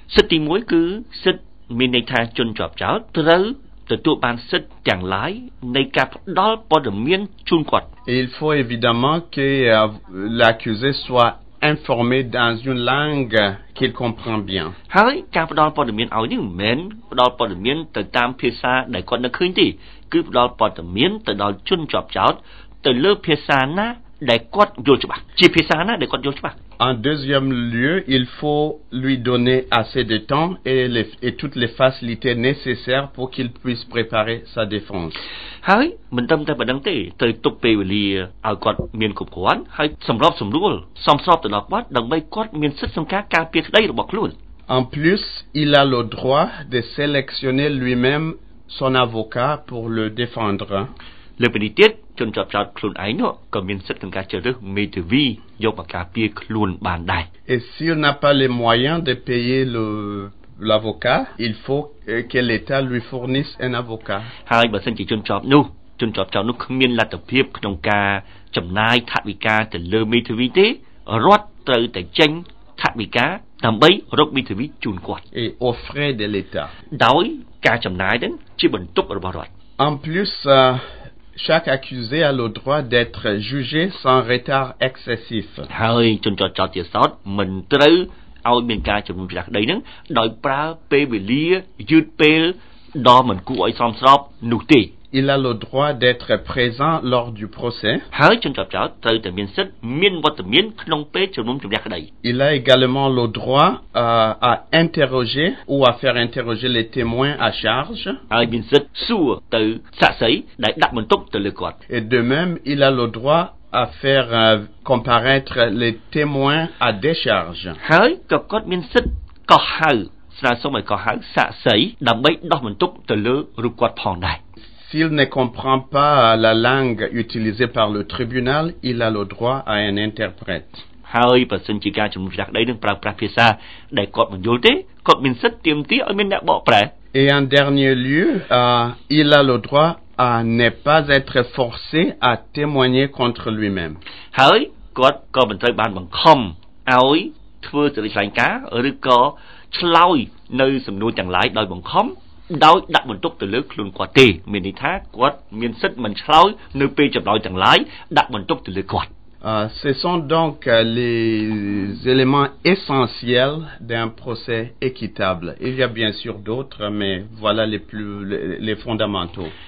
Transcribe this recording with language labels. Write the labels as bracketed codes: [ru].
[km] សិទ្ធិទី1គឺសិទ្ធិមានន័យថាជនជាប់ចោតត្រូវទទួលបានសិទ្ធិទាំងឡាយនៃការផ្ដល់ព័ត៌មានជូនគាត់ [fr] Il faut évidemment que l'accusé soit informé dans une langue qu'il comprend bien. [km] ហើយការផ្ដល់ព័ត៌មានឲ្យនេះមិនមែនផ្ដល់ព័ត៌មានទៅតាមភាសាដែលគាត់នឹកឃើញទេគឺផ្ដល់ព័ត៌មានទៅដល់ជនជាប់ចោតទៅលើភាសាណាដែលគាត់យល់ច្បាស់ជាភាសាណាដែលគាត់យល់ច្បាស់ [fr] En deuxième lieu, il faut lui donner assez de temps et toutes les facilités nécessaires pour qu'il puisse préparer sa défense. [km] ហើយមិនដឹងតែប៉ុណ្្នឹងទេទៅទុកពេលវេលាឲ្យគាត់មានគ្រប់គ្រាន់ហើយសម្របសម្រួលសំស្របទៅដល់គាត់ដើម្បីគាត់មានសិទ្ធិសំការការពារក្តីរបស់ខ្លួន [fr] En plus, il a le droit de sélectionner lui-même son avocat pour le défendre. [km] លើពីនេះទៀតជនជាប់ចោតខ្លួនឯងនោះក៏មានសិទ្ធិក្នុងការជ្រើសរើសមេធាវីយកមកការពារខ្លួនបានដែរ [fr] Et s'il n'a pas les moyens de payer l'avocat, il faut que l'État lui fournisse un avocat. [km] ហើយបើសិនជាជនជាប់នោះជនជាប់ចោតនោះគ្មានលទ្ធភាពក្នុងការចំណាយថវិកាទៅលើមេធាវីទេរដ្ឋត្រូវតែចេញថវិកាដើម្បីរកមេធាវីជូនគាត់ [fr] Et aux frais de l'État. [km] ដោយការចំណាយនឹងជាបន្ទុករបស់រដ្ឋ [fr] En plus Chaque accusé a le droit d'être jugé sans retard excessif. [km] ហើយជនជាប់ចោតទៀតសោតមិនត្រូវឲ្យមានការជំនុំជម្រះក្តីនឹងដោយប្រើពេលវេលាយឺតពេលដល់មិនគួរឲ្យសមស្របនោះទេ [fr] Il a le droit d'être présent lors du procès. [km] ហើយជនជាប់ចោតត្រូវតែមានសិទ្ធិមានវត្តមានក្នុងពេលជំនុំជម្រះក្តី [fr] Il a également le droit à interroger ou à faire interroger les témoins à charge. [km] ហើយមានសិទ្ធិសួរទៅសាក្សីដែលដាក់បន្ទុកទៅលើគាត់ [fr] Et de même, il a le droit à faire comparaître les témoins à décharge. [km] ហើយក៏គាត់មានសិទ្ធិកោះហៅស្នើសុំឲ្យកោះហៅសាក្សីដើម្បីដោះបន្ទុកទៅលើរូបគាត់ផងដែរ [fr] S'il ne comprend pas la langue utilisée par le tribunal, il a le droit à un interprète. [km] ហើយបើសិនជាការជំនុំជម្រះក្តីនឹងប្រើប្រាស់ភាសាដែលគាត់មិនយល់ទេគាត់មានសិទ្ធិទាមទារឲ្យមានអ្នកបកប្រែ [fr] Et en dernier lieu, il a le droit à ne pas être forcé à témoigner contre lui-même. [km] ហើយគាត់ក៏មិនត្រូវបានបង្ខំឲ្យធ្វើសេចក្តីថ្លែងការណ៍ឬក៏ឆ្លើយនៅសំណួរទាំងឡាយដោយបង្ខំដោយដាក់បន្ទុកទៅលើខ្លួនគាត់ទេមានន័យថាគាត់មានសិទ្ធិមិនឆ្លើយនៅពេលចម្លើយទាំងឡាយដាក់បន្ទុកទៅលើគាត់ [fr] Ce sont donc les éléments essentiels d'un procès équitable. Il y a bien sûr d'autres, mais voilà les fondamentaux.